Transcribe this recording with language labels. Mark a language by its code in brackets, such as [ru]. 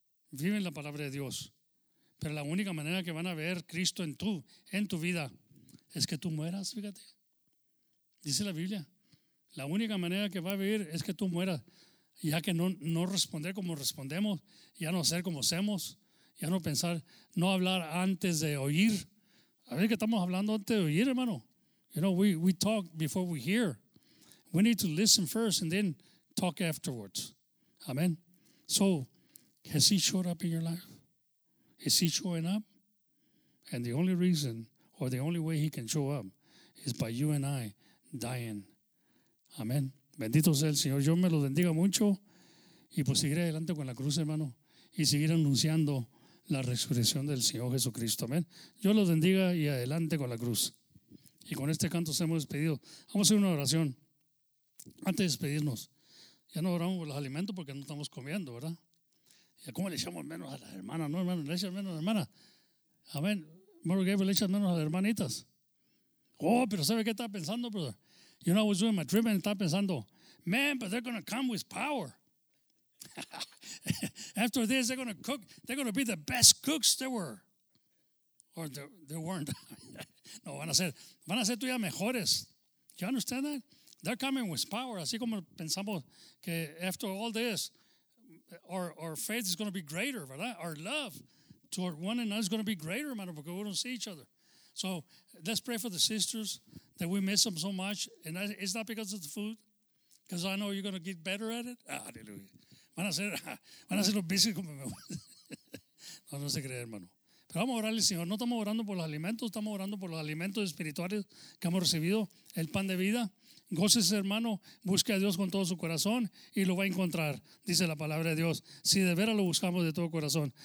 [es] Viven la palabra de Dios. Pero la única manera que van a ver Cristo en tu vida es que tú mueras, fíjate. Dice la Biblia. La única manera que va a vivir es que tú mueras. Ya que no responder como respondemos, ya no ser como hacemos, ya no pensar, no hablar antes de oír. A ver qué estamos hablando antes de oír, hermano. [en] You know, we talk before we hear. We need to listen first and then talk afterwards. Amen. So, has he showed up in your life? Is he showing up? And the only reason or the only way he can show up is by you and I dying. Amen. [es] Bendito sea el Señor. Yo me lo bendiga mucho. Y pues seguiré adelante con la cruz, hermano. Y seguir anunciando la resurrección del Señor Jesucristo. Amen. Yo lo bendiga y adelante con la cruz. Y con este canto se hemos despedido. Vamos a hacer una oración. Antes de despedirnos, ya no oramos por los alimentos porque no estamos comiendo, ¿verdad? ¿Y cómo le echamos menos a la hermana? No, hermano, le echas menos a la hermana. Amén. Mary Gabriel, le echas menos a las hermanitas. Oh, pero ¿sabe qué estaba pensando, brother? [en] You know, I was doing my trip and [es] estaba pensando, [en] man, but they're going to come with power. After this, they're going to cook. They're going to be the best cooks there were. Or they weren't. [es] No, van a ser todavía mejores. [en] You understand that? They're coming with power. [es] Así como pensamos que [en] after all this, our faith is going to be greater, [es] ¿verdad? [en] Our love toward one another is going to be greater, hermano, because we don't see each other. So let's pray for the sisters that we miss them so much. And it's not because of the food, because I know you're going to get better at it. Hallelujah. [es] Van a ser los bíceps como me gusta. No se cree, hermano. Pero vamos a orarle, Señor. No estamos orando por los alimentos, estamos orando por los alimentos espirituales que hemos recibido, el pan de vida. Gócese, hermano, busque a Dios con todo su corazón y lo va a encontrar, dice la palabra de Dios, si de veras lo buscamos de todo corazón.